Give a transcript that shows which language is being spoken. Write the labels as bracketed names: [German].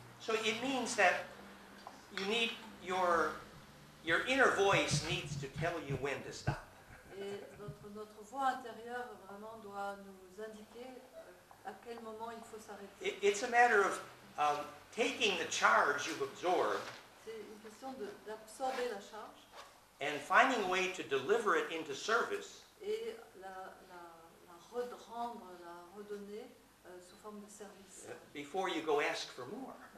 [English] So it means that you need your inner voice needs to tell you when to stop. [French] Et notre voix intérieure vraiment doit nous indiquer à quel moment il faut s'arrêter. [English] It's a matter of taking the charge you've absorbed. [French] C'est une question d'absorber la charge. [English] And finding a way to deliver it into service. [French] Et la redrendre, la redonner sous forme de service. [English] Before you go ask for more.